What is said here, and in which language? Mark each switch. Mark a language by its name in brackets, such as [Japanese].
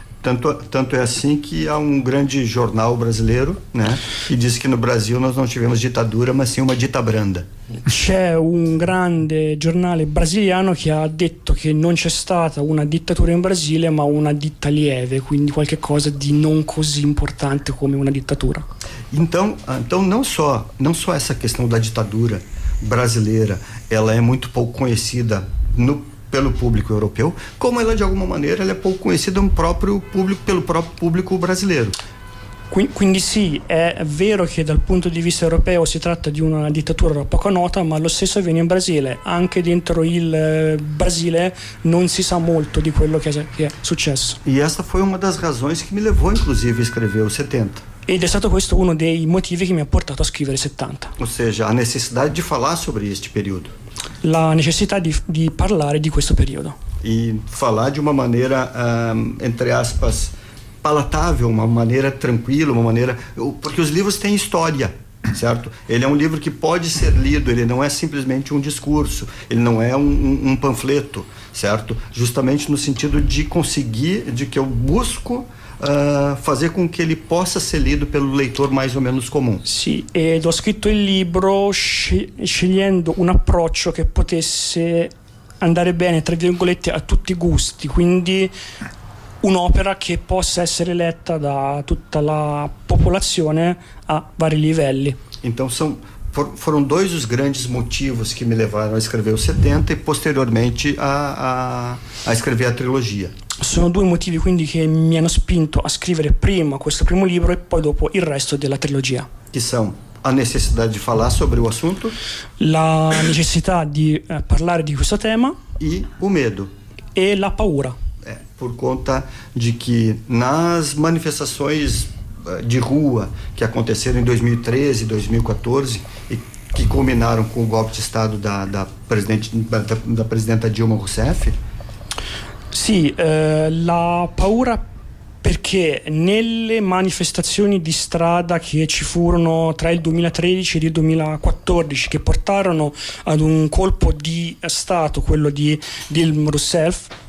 [Portuguese] Tanto è assim [Italian] che ha un grande giornale [Portuguese] brasileiro, né, [Italian] che dice che [Portuguese] no Brasil nós não tivemos ditadura, ma sim uma dita branda. [Italian] C'è un grande giornale brasiliano che ha detto che non c'è stata una dittatura in Brasile, ma una ditta lieve, quindi qualcosa di non così importante come una dittatura. [Portuguese] Então não só essa questão da ditadura brasileira, ela é muito pouco conhecida no pelo público europeu, como ela de alguma maneira ela é pouco conhecida pelo próprio público brasileiro. [Italian] Quindi sì, è vero che dal punto di vista europeo si tratta di una dittatura poco nota, ma lo stesso avviene in Brasile. Anche dentro il Brasile non si sa molto di quello che è successo. E questa [Portuguese] foi uma das razões que me levou inclusive a escrever o 70. [Italian] Ed è stato questo uno dei motivi che mi ha portato a scrivere 70. [Portuguese] Ou seja, a necessidade de falar sobre este período. [Italian] La necessità di parlare di questo periodo. [Portuguese] E falar de uma maneira, entre aspas, palatável, uma maneira tranquila, uma maneira. Porque os livros têm história, certo? Ele é um livro que pode ser lido, ele não é simplesmente um discurso, ele não é um panfleto, certo? Justamente no sentido de conseguir, de que eu busco fazer com que ele possa ser lido pelo leitor mais ou menos comum. [Italian] Sim, e ho scritto il libro scegliendo un approccio che potesse andare bene, tra virgolette, a tutti i gusti, quindi un'opera che possa essere letta da tutta la popolazione a vari livelli. [Portuguese] Então foram dois os grandes motivos que me levaram a escrever o 70 e posteriormente a escrever a trilogia. [Italian] Sono due motivi quindi che mi hanno spinto a scrivere prima questo primo libro e poi dopo il resto della trilogia. Che sono a necessità di parlare [Portuguese] sobre o assunto, [Italian] la necessità di parlare di questo tema [Portuguese] e o medo [Italian] e la paura. [Portuguese] Por conta de que nas manifestações de rua que aconteceram em 2013, 2014 e que culminaram com o golpe de Estado da presidenta Dilma Rousseff. [Italian] Sì, la paura perché nelle manifestazioni di strada che ci furono tra il 2013 e il 2014 che portarono ad un colpo di Stato, quello di Dilma Rousseff,